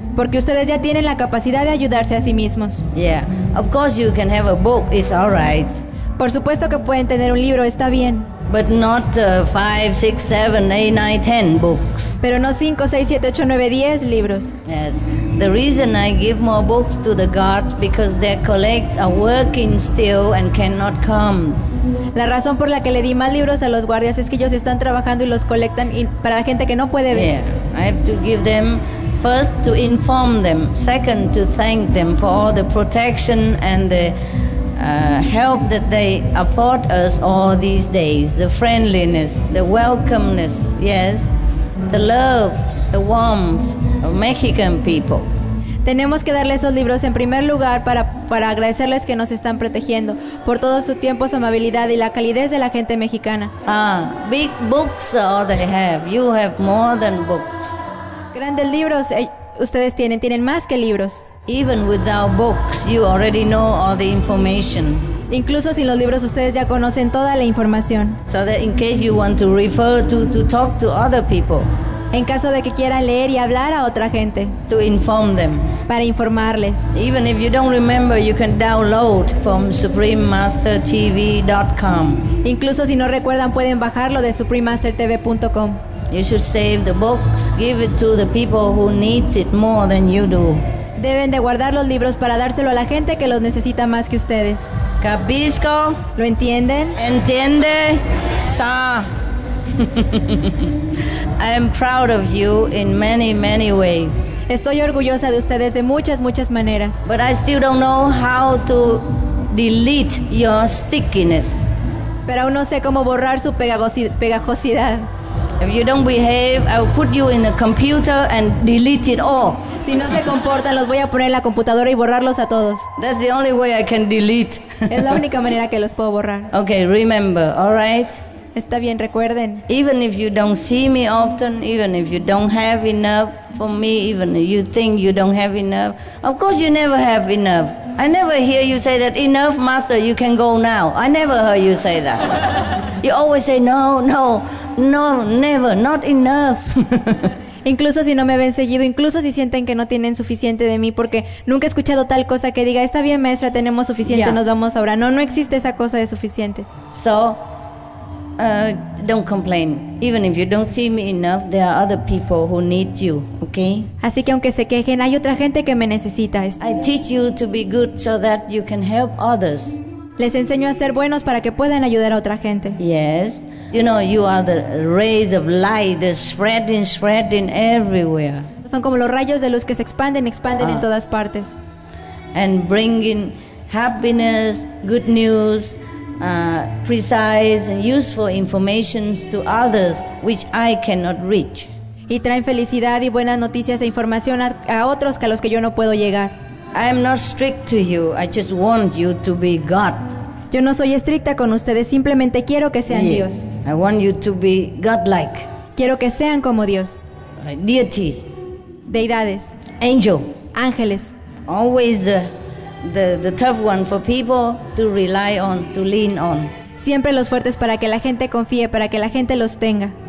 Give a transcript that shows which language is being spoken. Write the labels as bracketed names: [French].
[Spanish] Porque ustedes ya tienen la capacidad de ayudarse a sí mismos. Yeah. [English] Of course you can have a book, it's all right. [Spanish] Por supuesto que pueden tener un libro, está bien. [English] But not 5, 6, 7, 8, 9, 10 books. [Spanish] Pero no 5, 6, 7, 8, 9, 10 libros. Yes. [English] The reason I give more books to the gods because their colleagues are working still and cannot come. [Spanish] La razón por la que le di más libros a los guardias es que ellos están trabajando y los colectan para la gente que no puede ver. [English] Yeah. I have to give them first to inform them, second to thank them for all the protection and the help that they afford us all these days, the friendliness, the welcomeness, yes, the love, the warmth of Mexican people. [Spanish] Tenemos que darle esos libros en primer lugar para agradecerles que nos están protegiendo por todo su tiempo, su amabilidad y la calidez de la gente mexicana. [English] Big books are all they have. You have more than books. [Spanish] Grandes libros ustedes tienen más que libros. [English] Even without books, you already know all the information. [Spanish] Incluso sin los libros, ustedes ya conocen toda la información. [English] So that in case you want to refer to talk to other people. [Spanish] En caso de que quieran leer y hablar a otra gente. [English] To inform them. [Spanish] Para informarles. [English] Even if you don't remember, you can download from suprememastertv.com. [Spanish] Incluso si no recuerdan, pueden bajarlo de suprememastertv.com. [English] You should save the books, give it to the people who need it more than you do. [Spanish] Deben de guardar los libros para dárselo a la gente que los necesita más que ustedes. [Italian] ¿Capisco? [Spanish] ¿Lo entienden? ¿Entiende? ¡Sa! [English] I am proud of you in many, many ways. [Spanish] Estoy orgullosa de ustedes de muchas, muchas maneras. [English] But I still don't know how to delete your stickiness. [Spanish] Pero aún no sé cómo borrar su pegajosidad. [English] If you don't behave, I will put you in the computer and delete it all. [Spanish] Si no se comportan, los voy a poner en la computadora y borrarlos a todos. [English] That's the only way I can delete. [Spanish] Es la única manera que los puedo borrar. [English] Okay, remember, all right? [Spanish] Está bien, recuerden. [English] Even if you don't see me often, even if you don't have enough for me, even if you think you don't have enough, of course you never have enough. I never hear you say that, enough, master, you can go now. I never heard you say that. You always say, no, never, not enough. [Spanish] Incluso si no me ven seguido, incluso si sienten que no tienen suficiente de mí, porque nunca he escuchado tal cosa que diga, está bien, maestra, tenemos suficiente, yeah. Nos vamos ahora. No existe esa cosa de suficiente. [English] So, don't complain. Even if you don't see me enough, there are other people who need you, okay? [Spanish] Así que aunque se quejen, hay otra gente que me necesita. [English] I teach you to be good so that you can help others. [Spanish] Les enseño a ser buenos para que puedan ayudar a otra gente. Yes. [English] You know, you are the rays of light that's spreading everywhere. [Spanish] Son como los rayos de luz que se expanden en todas partes. [English] And bringing happiness, good news, precise and useful information to others which I cannot reach. [Spanish] y traen felicidad y buenas noticias e información a otros que a los que yo no puedo llegar. [English] I'm not strict to you. I just want you to be God. [Spanish] Yo no soy estricta con ustedes. Simplemente quiero que sean Dios. [English] I want you to be Godlike. [Spanish] Quiero que sean como Dios. [English] Deity. [Spanish] Deidades. [English] Angel. [Spanish] Ángeles. [English] Always the tough one for people to rely on, to lean on. [Spanish] Siempre los fuertes para que la gente confíe, para que la gente los tenga.